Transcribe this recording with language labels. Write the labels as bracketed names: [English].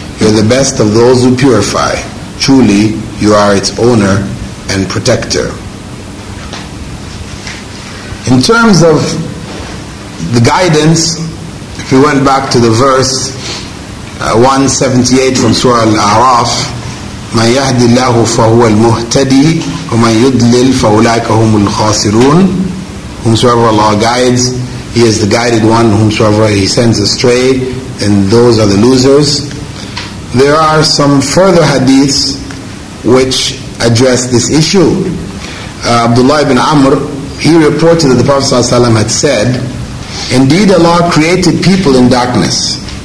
[English] You're the best of those who purify. Truly, you are its owner and protector. In terms of the guidance, if we went back to the verse 178 from Surah Al-A'raf, [Arabic] من يهد الله فهو المهتدي ومن يضلل فأولئك هم الخاسرون. [English] Whomsoever Allah guides, He is the guided one. Whomsoever He sends astray, and those are the losers. There are some further hadiths which address this issue. Abdullah ibn Amr, he reported that the Prophet ﷺ had said, indeed Allah created people in darkness.